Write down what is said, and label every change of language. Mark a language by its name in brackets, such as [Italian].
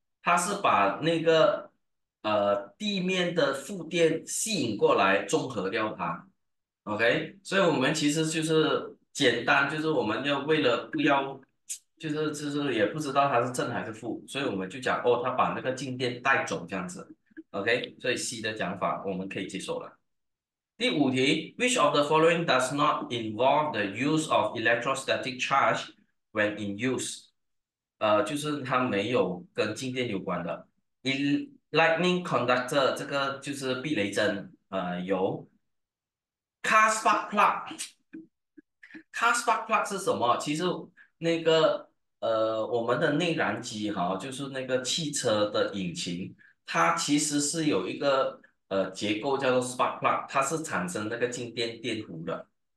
[Chinese] 它是把那个地面的负电吸引过来，中和掉它。 OK，所以我们其实就是简单，就是我们要为了不要，就是也不知道它是正还是负，所以我们就讲哦，它把那个静电带走这样子。 OK，所以 C 的讲法我们可以接受了。第五题， [English] Which of the following does not involve the use of electrostatic charge when in use？ [Chinese] 就是它没有跟静电有关的。 Lightning conductor 这个就是避雷针，有。 [English] Car spark plug，Car spark plug 是什么？ [Chinese] 其实那个我们的内燃机哈，就是那个汽车的引擎，它其实是有一个结构叫做 spark plug，它是产生那个静电电弧的。